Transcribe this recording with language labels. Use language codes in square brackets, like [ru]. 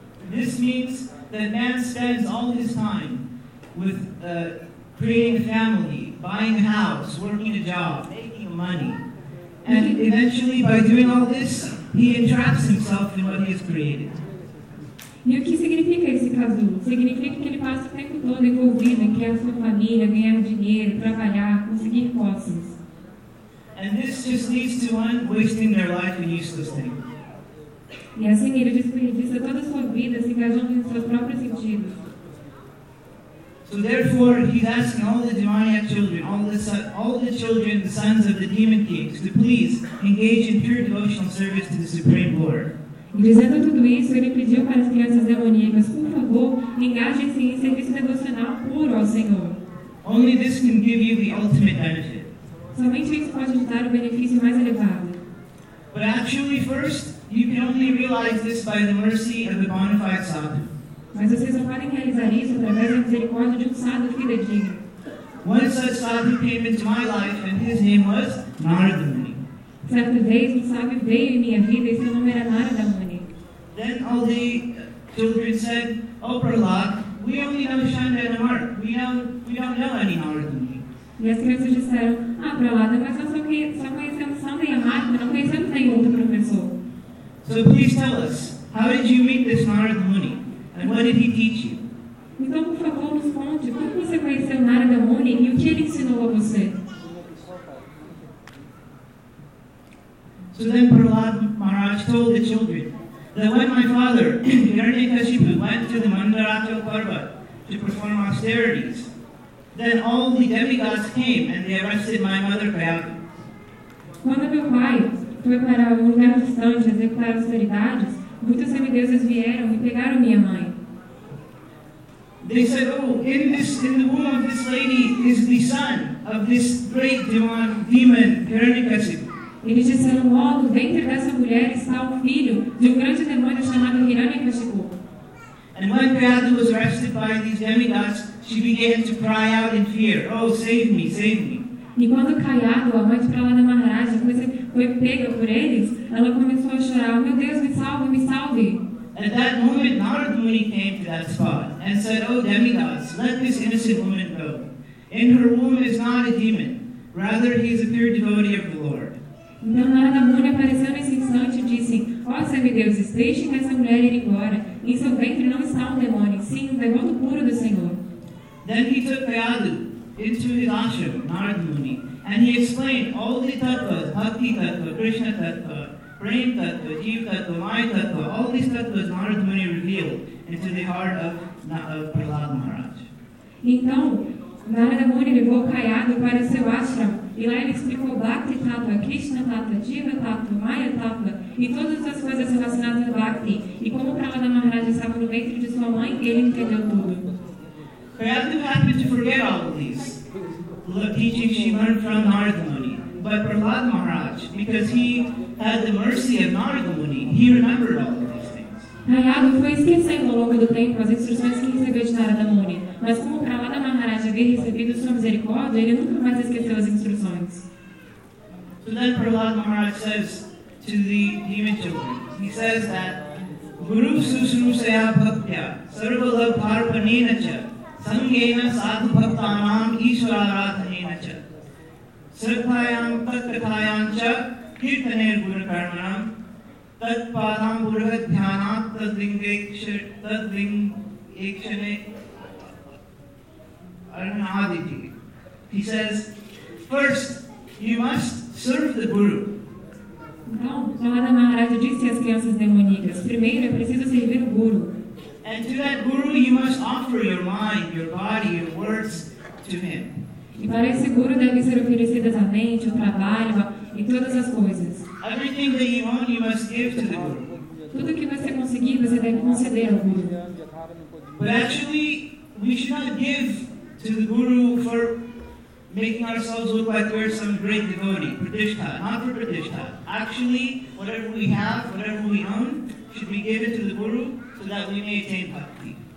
[en] This means that man spends all his time with creating a family, buying a house, working a job, making money. And eventually, by doing all this, he entraps himself in what he has created. [pt] E o que significa esse casulo? Significa que ele passa o tempo todo envolvido em criar sua família, ganhar dinheiro, trabalhar, conseguir posses. [en] And this just leads to one wasting their life in useless things. [pt] E assim ele desperdiça toda a sua vida se engajando em seus próprios sentidos. [en] So therefore, he's asking all the demoniac children, all the children, the sons of the demon kings, to please engage in pure devotional service to the Supreme Lord. [pt] E dizendo tudo isso, ele pediu para as crianças demoníacas, por favor, engajem-se em serviço devocional puro ao Senhor. [en] Only this can give you the ultimate benefit. [pt] Somente isso pode te dar o benefício mais elevado. [en] But actually, first, you can only realize this by the mercy of the bona fide sadhu. [pt] Mas vocês só podem realizar isso através da misericórdia de um sadhu fidedigno. [en] One such sadhu came into my life, and his name was Naradamuni. [pt] Certa vez, um sábio veio em minha vida e seu nome era Naradamuni. [en] Then all the children said, "Oh, Prahlad, we only know Chandanamark. We don't know any Naradamuni." [pt] E as crianças disseram, "Ah, Prahlad, mas nós só conhecemos Chandanamark, mas não conhecemos nenhum outro professor." [en] So please tell us, how did you meet this Naradamuni, and what did he teach you? [pt] Então, por favor, nos conte, como você conheceu Naradamuni e o que ele ensinou a você? [en] So then Prahlad Maharaj told the children that when my father, Hiranyakashipu, went to the Mandarachal Parvat to perform austerities, then all the demigods came and they arrested my mother Kayapu. [pt] Quando meu pai foi para o lugar distante executar austeridades, muitos semideuses vieram e pegaram minha mãe. [en] They said, "Oh, in the womb of this lady is the son of this great demon Hiranyakashipu." [pt] Eles disseram, logo, dentro dessa mulher está o filho de um grande demônio chamado Hiranyakashipu. [en] And when Kayadu was arrested by these demigods, she began to cry out in fear, "Oh, save me, save me." [pt] E quando Kayadu, a mãe de Prahlada Maharaja, foi pega por eles, ela começou a chorar, "Meu Deus, me salve, me salve." [en] At that moment, Naradamuni came to that spot and said, "Oh, demigods, let this innocent woman go. In her womb is not a demon. Rather, he is a pure devotee of the Lord." [pt] Então Naradamuni apareceu nesse instante e disse, "Ó semideuses, deixem essa mulher ir embora. Em seu ventre não está um demônio, sim, um devoto puro do Senhor." [en] Then he took Kayadu into his ashram, Naradamuni, and he explained all the tattvas, bhakti tattva, krishna tattva, prem tattva, jiva tattva, maya tattva, all these tattvas Naradamuni revealed into the heart of Prahlad Maharaj. [pt] Então Naradamuni levou Kayadu para seu ashram. E lá ele explicou Bhakti Tattva, Krishna Tattva, Jiva Tattva, Maya Tattva e todas as coisas relacionadas a Bhakti. E como Prahlada Maharaja estava no ventre de sua mãe, ele entendeu tudo. [en] Kayadu happened to forget all of these teachings she learned from Naradamuni. But Prahlada Maharaja, because he had the mercy of Naradamuni, he remembered all of these things. [pt] Prahlada foi esquecendo ao longo do tempo as instruções que recebeu de Narada Muni, mas como Prahlada Maharaj havia recebido sua misericórdia, ele nunca mais esqueceu as instruções. [en] So then Prahlada Maharaj says to the demon children, he says that [sa] Guru Susru Seya Bhaktya Sarva Lav Parpanena Cha Sangena Sadhu Bhaktanam Ishwaradhanena Cha Sripayam Tattakayam Cha Kirtaner Guru Karmanam Tat Padam Burhat Dhyanat Tad Ling Ekshane Arnaditi. [en] He says, first, you must serve the Guru. [pt] Então, Prahlada Maharaj disse às crianças demoníacas, primeiro é preciso servir o Guru. [en] And to that Guru you must offer your mind, your body, your words to him. [pt] E para esse Guru devem ser oferecidas a mente, o trabalho e todas as coisas. [en] Everything that you want you must give to the Guru. [pt] Tudo que você conseguir você deve conceder ao Guru. [en] But actually we should not give to the Guru for making ourselves look like we're some great devotee, pratishtha, not for pratishtha. Actually, whatever we have, whatever we own, should be given to the Guru so that we may attain bhakti.